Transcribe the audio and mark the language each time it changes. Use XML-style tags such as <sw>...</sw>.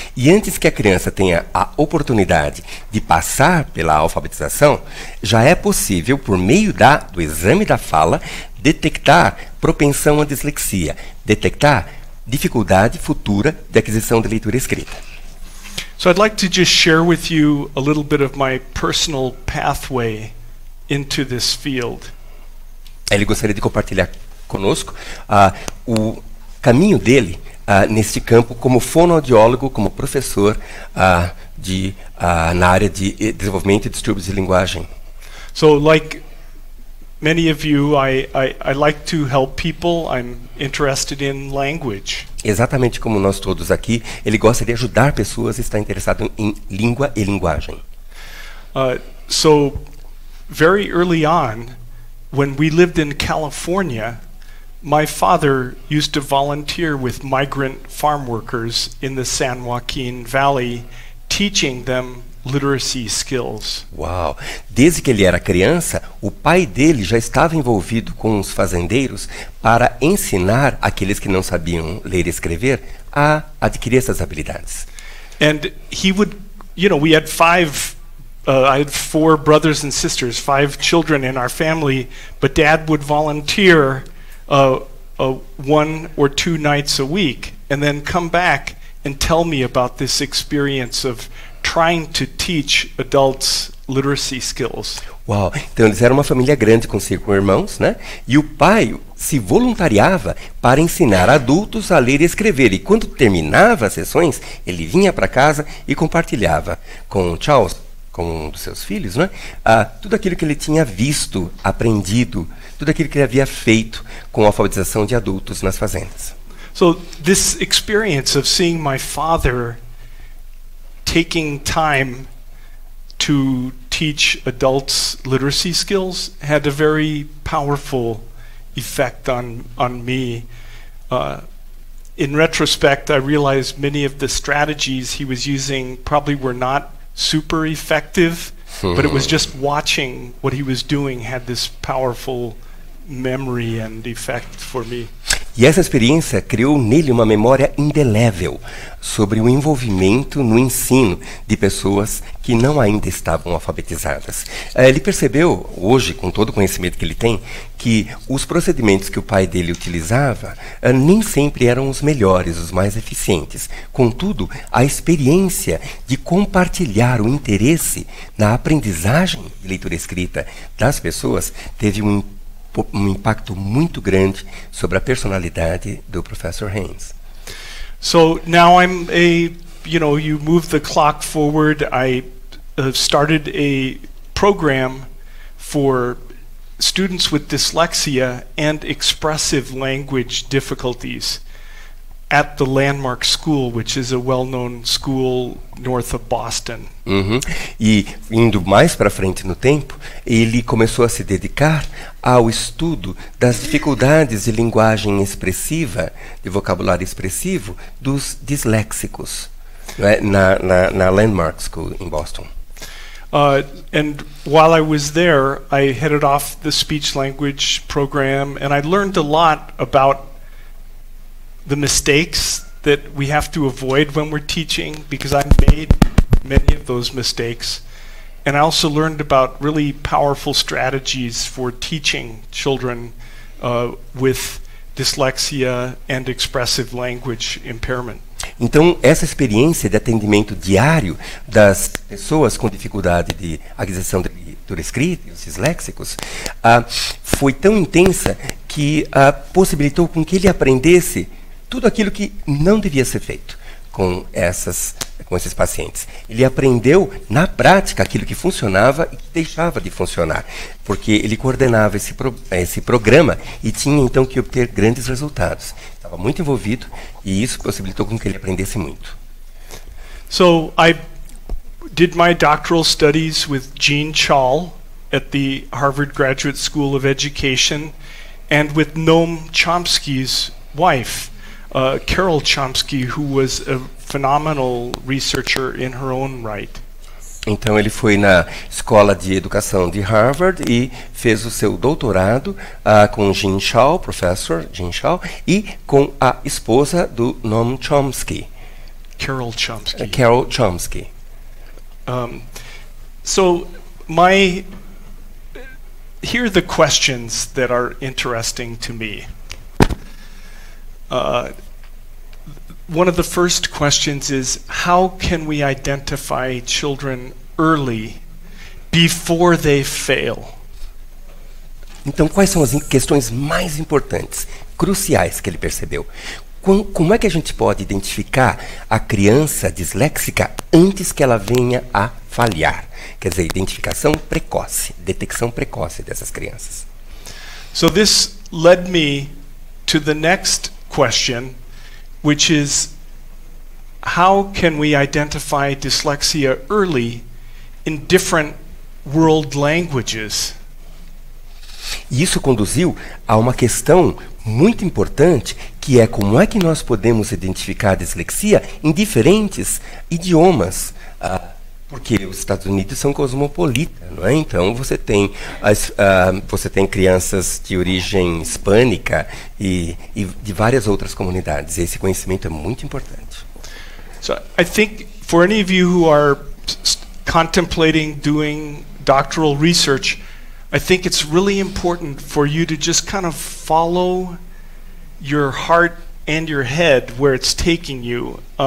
<pt>E antes que a criança tenha a oportunidade de passar pela alfabetização, já é possível, por meio do exame da fala, detectar propensão à dislexia, detectar dificuldade futura de aquisição de leitura escrita.</pt> <en>So I'd like to just share with you a little bit of my personal pathway into this field.</en> <pt>Ele gostaria de compartilhar conosco o caminho dele neste campo como fonoaudiólogo, como professor na área de desenvolvimento de distúrbios de linguagem.</pt> <en>So like many of you, I like to help people. I'm interested in language.</en> <pt>Exatamente como nós todos aqui, ele gosta de ajudar pessoas e está interessado em língua e linguagem.</pt> <en>So very early on, when we lived in California, my father used to volunteer with migrant farm workers in the San Joaquin Valley, teaching them literacy skills.</en> <pt>Uau! Desde que ele era criança, o pai dele já estava envolvido com os fazendeiros para ensinar aqueles que não sabiam ler e escrever a adquirir essas habilidades.</pt> <en>And he would, you know, we had five. I had four brothers and sisters, five children in our family, but Dad would volunteer one or two nights a week and then come back and tell me about this experience of trying to teach adults literacy skills.</en> <pt>Uau! Então eles eram uma família grande com cinco irmãos, né? E o pai se voluntariava para ensinar adultos a ler e escrever. E quando terminava as sessões, ele vinha para casa e compartilhava com Charles, com um dos seus filhos, né? Tudo aquilo que ele tinha visto, aprendido, tudo aquilo que ele havia feito com a alfabetização de adultos nas fazendas.</pt> <en>So this experience of seeing my father taking time to teach adults literacy skills had a very powerful effect on me. In retrospect, I realized many of the strategies he was using probably were not super effective, but it was just watching what he was doing had this powerful memory and effect for me.</en> <pt>E essa experiência criou nele uma memória indelével sobre o envolvimento no ensino de pessoas que não ainda estavam alfabetizadas. Ele percebeu hoje, com todo o conhecimento que ele tem, que os procedimentos que o pai dele utilizava nem sempre eram os melhores, os mais eficientes. Contudo, a experiência de compartilhar o interesse na aprendizagem de leitura escrita das pessoas teve um impacto muito grande sobre a personalidade do professor Haynes.</pt> <en>So now I'm a, you know, you move the clock forward. I started a program for students with dyslexia and expressive language difficulties at the Landmark School, which is a well-known school north of Boston. Uhum.</en> <pt>E indo mais para frente no tempo, ele começou a se dedicar ao estudo das dificuldades de linguagem expressiva, de vocabulário expressivo, dos disléxicos, né, na Landmark School em Boston.</pt> <en>And while I was there, I headed off the speech language program, and I learned a lot about the mistakes that we have to avoid when we're teaching, because I made many of those mistakes. And I also learned about really powerful strategies for teaching children with dyslexia and expressive language impairment.</en> <pt>Então, essa experiência de atendimento diário das pessoas com dificuldade de aquisição do escrito, os disléxicos, foi tão intensa que possibilitou com que ele aprendesse tudo aquilo que não devia ser feito com esses pacientes. Ele aprendeu na prática aquilo que funcionava e que deixava de funcionar, porque ele coordenava esse programa e tinha então que obter grandes resultados. Estava muito envolvido e isso possibilitou com que ele aprendesse muito.</pt> <en>So I did my doctoral studies with Gene Chaul at the Harvard Graduate School of Education and with Noam Chomsky's wife, Carol Chomsky, who was a phenomenal researcher in her own right.</en> <pt>Então ele foi na Escola de Educação de Harvard e fez o seu doutorado com Gene Chaul, professor Gene Chaul, e com a esposa do Noam Chomsky.</pt> <en>Carol Chomsky.</en> <pt>Carol Chomsky.</pt> <en>Here are the questions that are interesting to me. One of the first questions is, how can we identify children early, before they fail?</en> <pt>Então, quais são as questões mais importantes, cruciais, que ele percebeu? Como é que a gente pode identificar a criança disléxica antes que ela venha a falhar? Quer dizer, identificação precoce, detecção precoce dessas crianças. So this led me to the next question, which is, how can we identify dyslexia early in different world languages? Isso conduziu a uma questão muito importante, que é como é que nós podemos identificar a dislexia em diferentes idiomas. Porque os Estados Unidos são cosmopolitas, não é? Então você tem crianças de origem hispânica e de várias outras comunidades. Esse conhecimento é muito importante.</pt> <en>So I think for any of you who are contemplating doing doctoral research, I think it's really important for you to just kind of follow your heart and your head where it's taking you.</en>